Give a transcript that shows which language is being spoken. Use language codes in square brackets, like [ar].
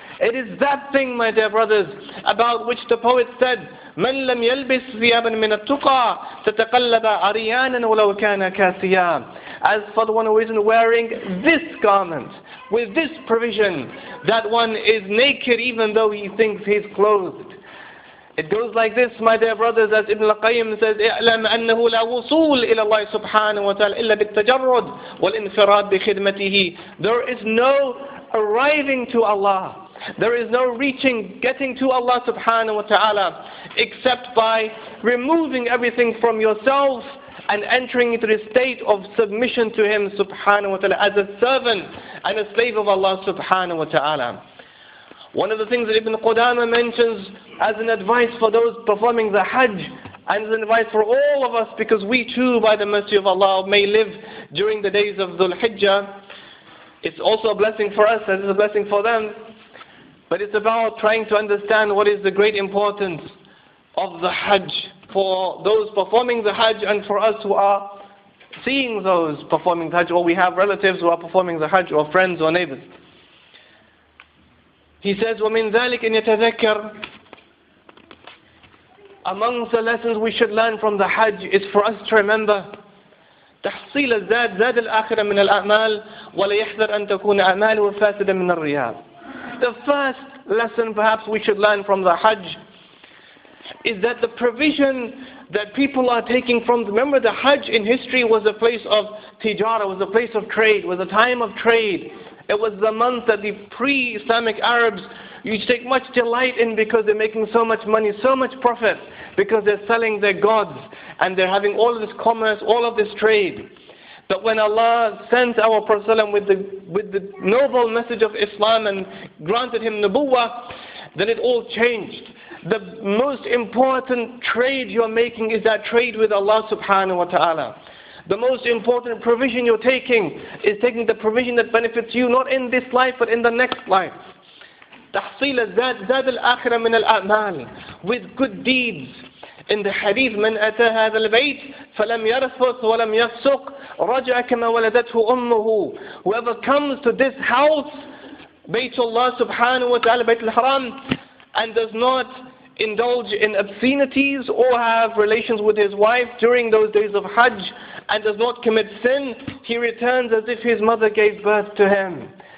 [en] It is that thing, my dear brothers, about which the poet said, [ar] مَنْ لَمْ يَلْبِسْ ثِيَابًا مِنَ التُّقَى تَتَقَلَّبَ عَرِيَانًا وَلَوْ كَانَ كَاسِيًا. [en] As for the one who isn't wearing this garment, with this provision, that one is naked even though he thinks he's clothed. It goes like this, my dear brothers, as Ibn al-Qayyim says, [ar] اعلم أنه لا وصول إلى الله سبحانه وتعالى إلا بالتجرد والانفراد بخدمته. [en] There is no arriving to Allah. There is no reaching, getting to Allah subhanahu wa ta'ala, except by removing everything from yourself and entering into the state of submission to Him subhanahu wa ta'ala as a servant and a slave of Allah subhanahu wa ta'ala. One of the things that Ibn Qudama mentions as an advice for those performing the Hajj, and as an advice for all of us, because we too, by the mercy of Allah, may live during the days of Dhul-Hijjah. It's also a blessing for us, as it's a blessing for them. But it's about trying to understand what is the great importance of the Hajj for those performing the Hajj, and for us who are seeing those performing the Hajj, or we have relatives who are performing the Hajj, or friends or neighbors. He says, [ar] وَمِنْ ذَلِكَ أَنْ يَتَذَكَّرْ. [en] amongst the lessons we should learn from the Hajj is for us to remember [ar] تحصيل الزاد زاد الآخرة من الأعمال ولا يحذر أن تكون أعماله فاسدة من الرياء. [en] The first lesson perhaps we should learn from the Hajj is that the provision that people are taking from, remember the Hajj in history was a place of tijara, was a place of trade, was a time of trade. It was the month that the pre-Islamic Arabs used to take much delight in because they're making so much money, so much profit, because they're selling their gods and they're having all of this commerce, all of this trade. But when Allah sent our Prophet ﷺ with the noble message of Islam and granted him Nubuwwah, then it all changed. The most important trade you're making is that trade with Allah subhanahu wa ta'ala. The most important provision you're taking is taking the provision that benefits you, not in this life, but in the next life. [ar] تحصيل الزاد زاد الآخرة من الأعمال [en] with good deeds. In the hadith, [ar] من أتى هذا البيت فلم يرفث ولم يفسق رجع كما ولدته أمه. [en] Whoever comes to this house, Baytullah subhanahu wa ta'ala, Bayt al-Haram, and does not indulge in obscenities or have relations with his wife during those days of Hajj and does not commit sin, he returns as if his mother gave birth to him.